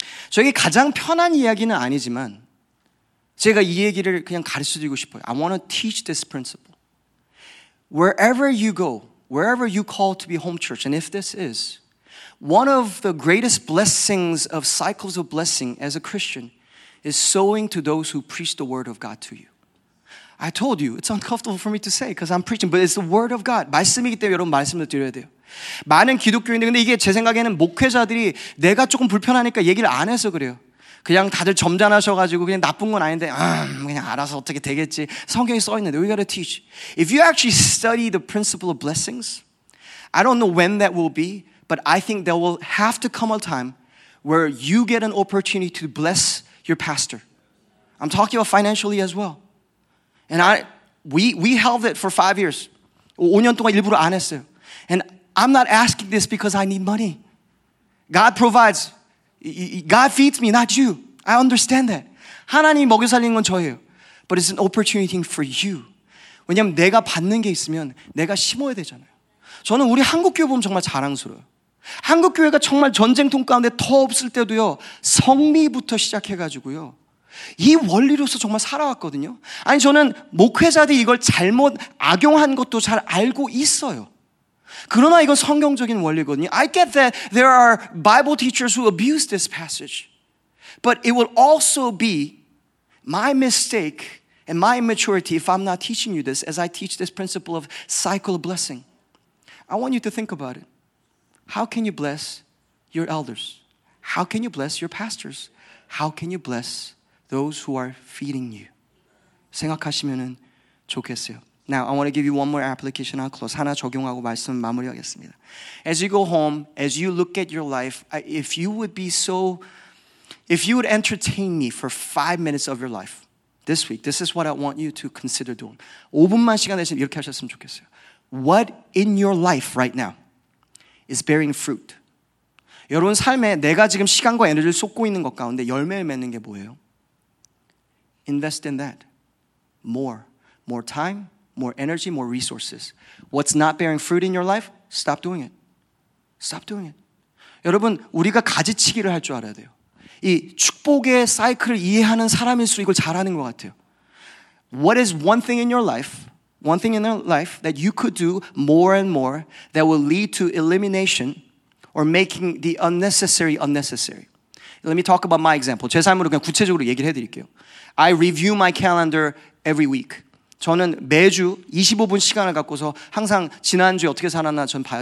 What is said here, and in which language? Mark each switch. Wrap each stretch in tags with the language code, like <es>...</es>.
<ko>저에게 가장 편한 이야기는 아니지만 제가 이 얘기를 그냥 가르쳐드리고 싶어요</ko> <en>I want to teach this principle Wherever you go Wherever you call to be home church, and if this is, one of the greatest blessings of cycles of blessing as a Christian is sowing to those who preach the word of God to you. I told you, it's uncomfortable for me to say because I'm preaching, but it's the word of God.</en> <ko>말씀이기 때문에 여러분 말씀을 드려야 돼요. 많은 기독교인들, 근데 이게 제 생각에는 목회자들이 내가 조금 불편하니까 얘기를 안 해서 그래요. 그냥 다들 점잖으셔가지고 그냥 나쁜 건 아닌데 그냥 알아서 어떻게 되겠지. 성경에 써있는데</ko> <en>we gotta teach. If you actually study the principle of blessings, I don't know when that will be, but I think there will have to come a time where you get an opportunity to bless your pastor. I'm talking about financially as well. And we held it for 5 years.</en> <ko>5년 동안 일부러 안 했어요.</ko> <en>And I'm not asking this because I need money. God provides. God feeds me, not you. I understand that.</en> <ko>하나님이 먹여 살리는 건 저예요.</ko> <en>But it's an opportunity for you.</en> <ko>왜냐면 내가 받는 게 있으면 내가 심어야 되잖아요. 저는 우리 한국 교회 보면 정말 자랑스러워요. 한국 교회가 정말 전쟁통 가운데 터 없을 때도요. 성미부터 시작해가지고요. 이 원리로서 정말 살아왔거든요. 아니 저는 목회자들이 이걸 잘못 악용한 것도 잘 알고 있어요. 그러나 이건 성경적인 원리거든요.</ko> <en>I get that there are Bible teachers who abuse this passage. But it will also be my mistake and my immaturity if I'm not teaching you this as I teach this principle of cycle of blessing. I want you to think about it. How can you bless your elders? How can you bless your pastors? How can you bless those who are feeding you?</en> <ko>생각하시면 좋겠어요.</ko> <en>Now, I want to give you one more application. I'll close.</en> <ko>하나 적용하고 말씀 마무리하겠습니다.</ko> <en>As you go home, as you look at your life, if you would entertain me for 5 minutes of your life this week, this is what I want you to consider doing.</en> <ko>5분만 시간 내시면 이렇게 하셨으면 좋겠어요.</ko> <en>What in your life right now is bearing fruit?</en> <ko>여러분 삶에 내가 지금 시간과 에너지를 쏟고 있는 것 가운데 열매를 맺는 게 뭐예요?</ko> <en>Invest in that. More time, more energy, more resources. What's not bearing fruit in your life? Stop doing it. Stop doing it.</en> <ko>여러분, 우리가 가지치기를 할 줄 알아야 돼요. 이 축복의 사이클을 이해하는 사람일수록 이걸 잘하는 것 같아요.</ko> <en>What is one thing in your life, one thing in your life that you could do more and more that will lead to elimination or making the unnecessary unnecessary? Let me talk about my example.</en> <ko>제 삶으로 그냥 구체적으로 얘기를 해드릴게요.</ko> <en>I review my calendar every week.</en> <ko>저는 매주 25분 시간을 갖고서 항상 지난주에 어떻게 살았나 전 봐요.</ko>